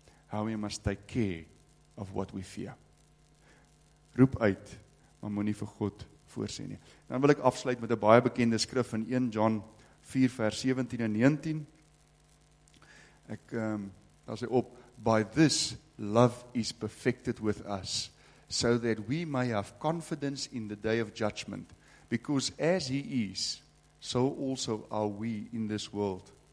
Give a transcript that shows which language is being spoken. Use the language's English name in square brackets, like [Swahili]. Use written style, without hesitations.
[English] How we must take care of what we fear. [Afrikaans] Roep uit, maar moenie vir God voorsê nie. Dan wil ek afsluit met 'n baie bekende skrif in 1 John 4 vers 17 en 19. Ek daar sê op, [English] by this love is perfected with us, so that we may have confidence in the day of judgment, because as he is, so also are we in this world.